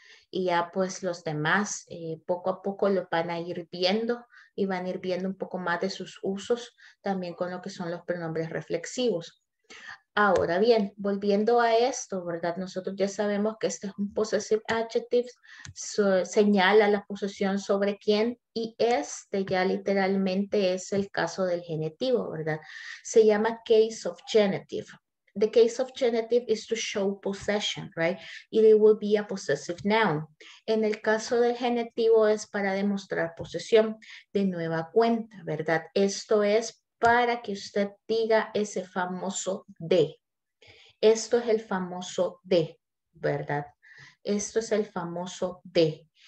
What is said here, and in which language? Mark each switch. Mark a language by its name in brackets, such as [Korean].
[Spanish] Y ya pues los demás poco a poco lo van a ir viendo y van a ir viendo un poco más de sus usos también con lo que son los pronombres reflexivos. Ahora bien, volviendo a esto, ¿verdad? Nosotros ya sabemos que este es un possessive adjective, señala la posesión sobre quién, y este ya literalmente es el caso del genitivo, ¿verdad? Se llama case of genitive. [English] The case of genitive is to show possession, right? It will be a possessive noun. [Spanish] En el caso del genitivo es para demostrar posesión de nueva cuenta, ¿verdad? Esto es para que usted diga ese famoso de. Esto es el famoso de, ¿verdad? Esto es el famoso de.